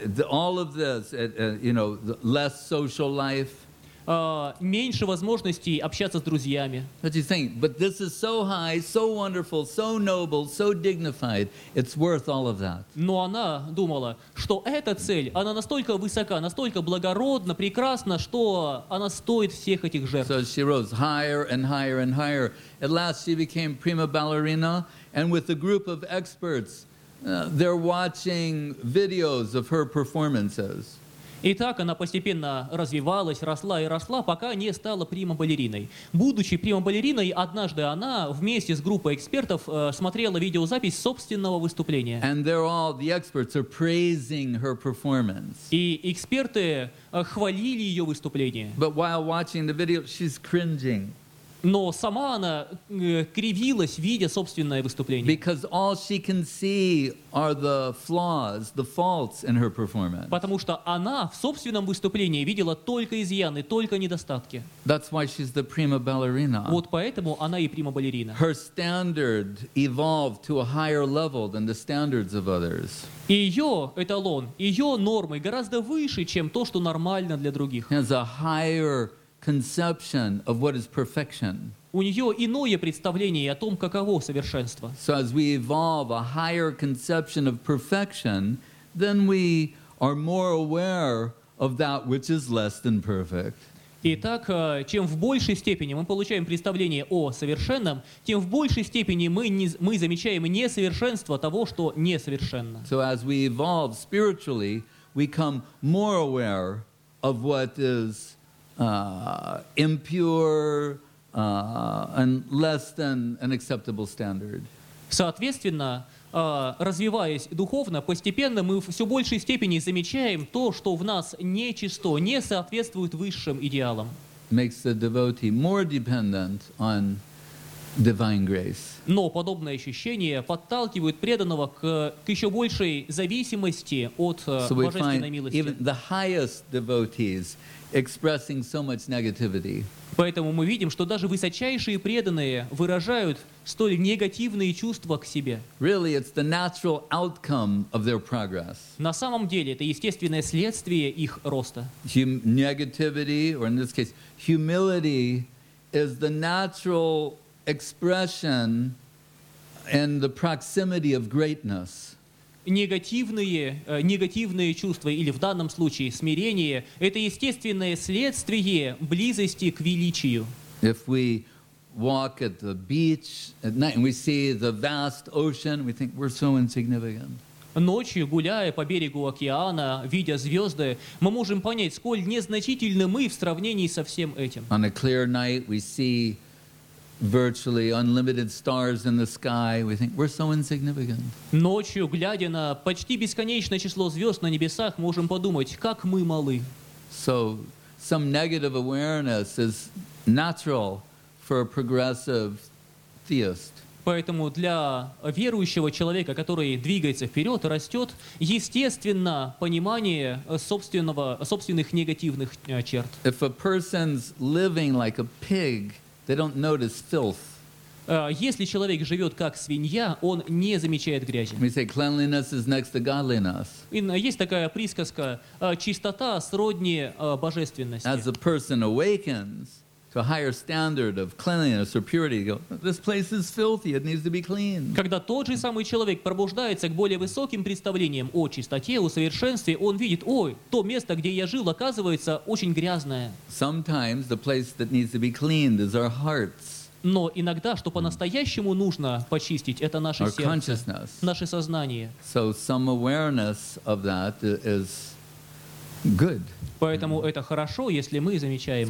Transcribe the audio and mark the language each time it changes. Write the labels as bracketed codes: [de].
[en] All of this, you know, less social life. [ru] Меньше возможностей общаться с друзьями. [en] What do you think? But this is so high, so wonderful, so noble, so dignified. It's worth all of that. [ru] Но она думала, что эта цель, она настолько высока, настолько благородна, прекрасна, что она стоит всех этих жертв. [en] So she rose higher and higher and higher. At last she became prima ballerina, and with a group of experts, they're watching videos of her performances. [ru] И так она постепенно развивалась, росла и росла, пока не стала прима-балериной. Будучи прима-балериной, однажды она вместе с группой экспертов смотрела видеозапись собственного выступления. [en] And they're all, the experts are praising her performance. [ru] И эксперты хвалили ее выступление. [en] But while watching the video, she's cringing. [ru] Но сама она кривилась, видя собственное выступление. [en] Because all she can see are the flaws, the faults in her performance. [ru] Потому что она в собственном выступлении видела только изъяны, только недостатки. [en] That's why she's the prima ballerina. [ru] Вот поэтому она и прима балерина. [en] Her standard evolved to a higher level than the standards of others. [ru] Ее эталон, ее нормы гораздо выше, чем то, что нормально для других. [en] Has a higher conception of what is perfection. [ru] У нее иное представление о том, каково совершенство. [en] So as we evolve a higher conception of perfection, then we are more aware of that which is less than perfect. [ru] Итак, чем в большей степени мы получаем представление о совершенном, тем в большей степени мы замечаем несовершенство того, что несовершенно. [en] So as we evolve spiritually, we become more aware of what is impure and less than an acceptable standard. [ru] Соответственно, развиваясь духовно, постепенно мы в все большей степени замечаем то, что в нас нечисто, не соответствует высшим идеалам. [en] Makes the devotee more dependent on divine grace. [ru] Но подобное ощущение подталкивает преданного к еще большей зависимости от божественной милости. [en] Even the highest devotees expressing so much negativity. [ru] Поэтому мы видим, что даже высочайшие преданные выражают столь негативные чувства к себе. [en] Really, it's the natural outcome of their progress. [ru] На самом деле, это естественное следствие их роста. [en] Negativity, or in this case, humility, is the natural expression and the proximity of greatness. [ru] Негативные чувства, или в данном случае смирение, это естественное следствие близости к величию. [en] If we walk at the beach at night and we see the vast ocean, we think we're so insignificant. [ru] Ночью, гуляя по берегу океана, видя звезды, мы можем понять, сколь незначительны мы в сравнении со всем этим. [en] On a clear night, we see virtually unlimited stars in the sky, we think we're so insignificant. [ru] Ночью, глядя на почти бесконечное число звезд на небесах, можем подумать, как мы малы. [en] So some negative awareness is natural for a progressive theist. [ru] Поэтому для верующего человека, который двигается вперед, растет, естественно, понимание собственных негативных черт. [en] If a person's living like a pig, they don't notice filth. [ru] Если человек живет как свинья, он не замечает грязи. [en] We say cleanliness is next to godliness. [ru] Есть такая присказка: чистота сродни божественности. [en] As a person awakens, to a higher standard of cleanliness or purity. You go, this place is filthy, it needs to be clean. [ru] Когда тот же самый человек пробуждается к более высоким представлениям о чистоте, о совершенстве, он видит, ой, то место, где я жил, оказывается очень грязное. [en] Sometimes the place that needs to be cleaned is our hearts. [ru] Но иногда, что по-настоящему нужно почистить, это наше сердце, наше сознание. [en] So some awareness of that is good. [ru] Поэтому это хорошо, если мы замечаем